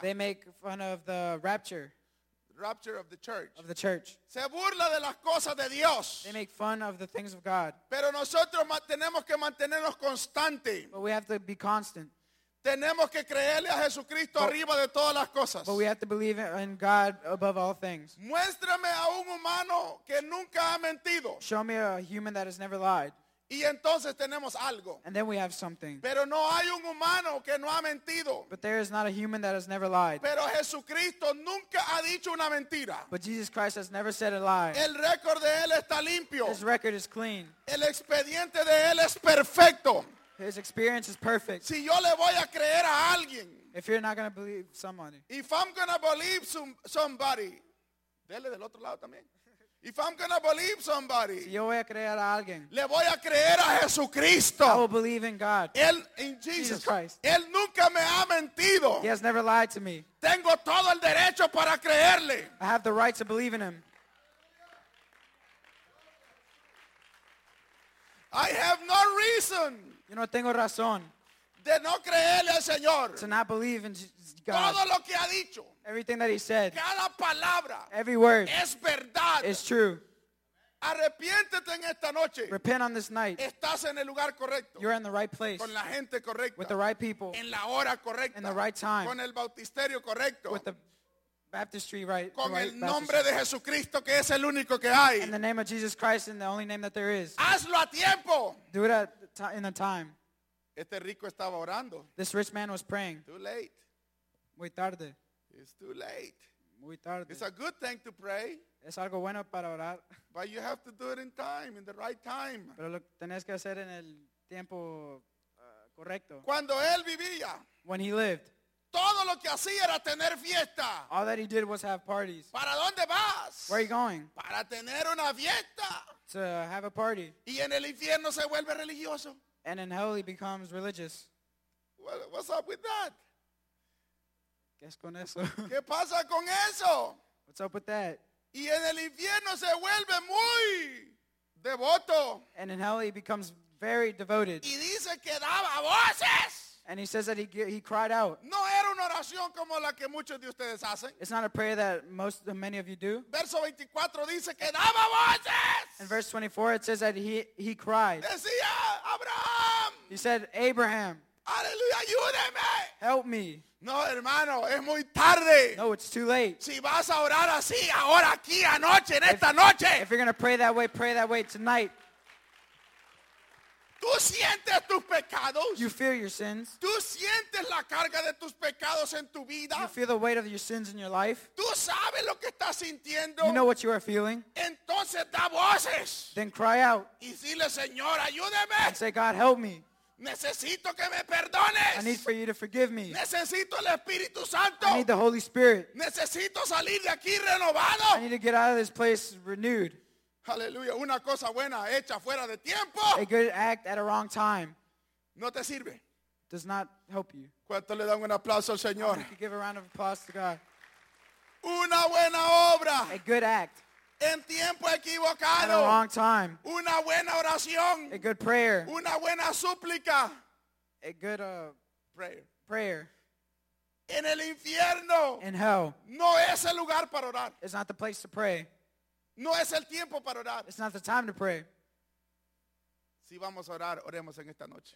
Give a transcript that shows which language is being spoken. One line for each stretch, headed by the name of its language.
English: They make fun of the rapture. Rapture of the church. Of the church.
Spanish: Se burla de las cosas de Dios.
English: They make fun of the things of God.
Spanish: Pero nosotros tenemos que mantenernos constantes.
English: But we have to be constant.
Spanish: Tenemos que creerle a Jesucristo arriba de todas las cosas.
English: But we have to believe in God above all things.
Spanish: Muéstrame a un humano que nunca ha mentido.
English: Show me a human that has never lied.
Spanish: Y entonces tenemos algo.
English: And then we have something.
Spanish: Pero no hay un humano que no ha mentido.
English: But there is not a human that has never lied.
Spanish: Pero Jesucristo nunca ha dicho una mentira.
English: But Jesus Christ has never said a lie.
Spanish: El récord de él está limpio.
English: His record is clean.
Spanish: El expediente de él es perfecto.
English: His experience is perfect.
Spanish: Si yo le voy a creer a alguien,
English: if you're not going to believe somebody. If I'm going to believe somebody.
Spanish: Dele del otro lado también.
English: If I'm going to believe somebody.
Spanish: Si yo voy a creer a alguien, le voy a creer a Jesucristo.
English: I will believe in God. Él, in Jesus. Jesus Christ.
Spanish: Él nunca me ha mentido.
English: He has never lied to me.
Spanish: Tengo todo el derecho para creerle.
English: I have the right to believe in him. I have no reason.
Spanish: Yo no tengo razón. De no creerle al Señor.
English: To not believe in God.
Spanish: Todo lo que ha dicho.
English: Everything that he said.
Spanish: Cada palabra.
English: Every word.
Spanish: Es verdad.
English: It's true.
Spanish: Arrepiéntete en esta noche.
English: Repent on this night.
Spanish: Estás en el lugar correcto.
English: You're in the right place.
Spanish: Con la gente correcta.
English: With the right people.
Spanish: En la hora correcta.
English: In the right time.
Spanish: Con el bautisterio correcto.
English: With the baptistry, right?
Spanish: Con
English: right,
Spanish: el nombre baptistry. De Jesucristo, que es el único que hay.
English: In the name of Jesus Christ, in the only name that there is.
Spanish: Hazlo a tiempo.
English: Do it at in the time.
Spanish: Este rico estaba orando.
English: This rich man was praying. Too late.
Spanish: Muy tarde.
English: It's too late.
Spanish: Muy tarde.
English: It's a good thing to pray.
Spanish: Es algo bueno para orar.
English: But you have to do it in time, in the right time.
Spanish: Pero lo tenés que hacer en el tiempo correcto. Cuando él vivía.
English: When he lived.
Spanish: Todo lo que hacía era tener fiesta.
English: All that he did was have parties.
Spanish: ¿Para dónde vas?
English: Where are you going?
Spanish: Para tener una fiesta.
English: To have a party.
Spanish: Y en el infierno se vuelve religioso.
English: And in hell he becomes religious. What's up with that?
Spanish: ¿Qué es con eso? ¿Qué pasa con eso?
English: What's up with that?
Spanish: Y en el infierno se vuelve muy devoto.
English: And in hell he becomes very devoted.
Spanish: Y dice que daba voces.
English: And he says that he cried out.
Spanish: No era una oración como la que muchos de ustedes hacen.
English: It's not a prayer that most many of you do.
Spanish: Verso 24 dice que daba voces.
English: In verse 24 it says that he cried.
Spanish: Decía Abraham.
English: He said, Abraham.
Spanish: Aleluya, ayúdeme.
English: Help me.
Spanish: No, hermano, es muy tarde.
English: No, it's too late.
Spanish: Si vas a orar así, ahora aquí, anoche, en esta noche.
English: If you're going to pray that way tonight.
Spanish: Tú sientes tus pecados.
English: You feel your sins.
Spanish: Tú sientes la carga de tus pecados en tu vida.
English: You feel the weight of your sins in your life.
Spanish: Tú sabes lo que estás sintiendo.
English: You know what you are feeling.
Spanish: Entonces da voces.
English: Then cry out.
Spanish: Y dile, Señor, ayúdeme.
English: And say, God, help me.
Spanish: Necesito que me perdones.
English: I need for you to forgive me.
Spanish: Necesito el Espíritu Santo.
English: I need the Holy Spirit.
Spanish: Necesito salir de aquí renovado.
English: I need to get out of this place renewed.
Spanish: Aleluya, una cosa buena hecha fuera de tiempo.
English: A good act at a wrong time.
Spanish: No te sirve.
English: Does not help you.
Spanish: ¿Cuánto le dan un aplauso al Señor?
English: You give a round of applause to God.
Spanish: Una buena obra.
English: A good act.
Spanish: En tiempo equivocado.
English: At a wrong time.
Spanish: Una buena oración.
English: A good prayer.
Spanish: Una buena súplica.
English: A good prayer.
Spanish: En el infierno.
English: In hell.
Spanish: No es el lugar para orar.
English: It's not the place to pray.
Spanish: No es el tiempo para orar.
English: It's not the time to pray.
Spanish: Si vamos a orar, oremos en esta noche.